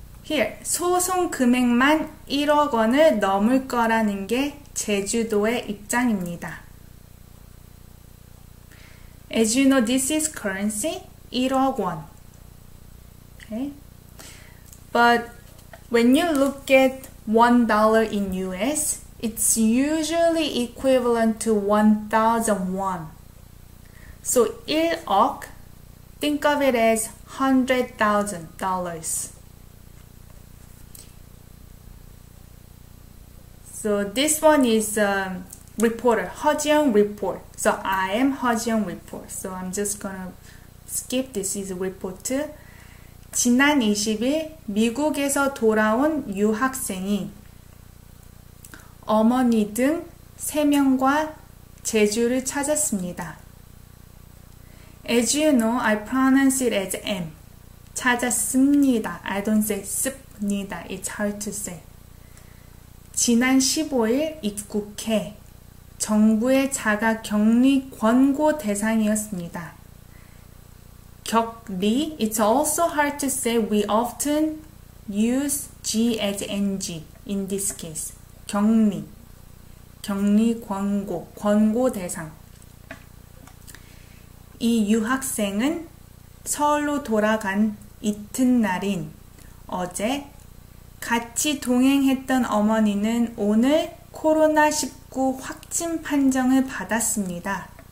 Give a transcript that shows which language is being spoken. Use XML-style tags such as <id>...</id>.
<ko>Here, 소송 금액만 1억 원을 넘을 거라는 게 제주도의 입장입니다.</ko> <en>As you know, this is currency,</en> <ko>1억 원.</ko> <en>Okay? But when you look at $1 in US, it's usually equivalent to 1,000 won. So 1억, think of it as $100,000. So this one is reporter, Hajiung report. So I am Hajiung report. So I'm just gonna skip. This is a reporter.</en> <ko>지난 20일 미국에서 돌아온 유학생이 어머니 등 3명과 제주를 찾았습니다.</ko> <en>As you know, I pronounce it as M.</en> <ko>찾았습니다.</ko> <en>I don't say 씁니다. It's hard to say.</en> <ko>지난 15일 입국해 정부의 자가 격리 권고 대상이었습니다.</ko> <en>격리, it's also hard to say. We often use G as NG in this case.</en> <ko>격리, 격리 권고, 권고 대상. 이 유학생은 서울로 돌아간 이튿날인 어제 같이 동행했던 어머니는 오늘 코로나19 확진 판정을 받았습니다.</ko>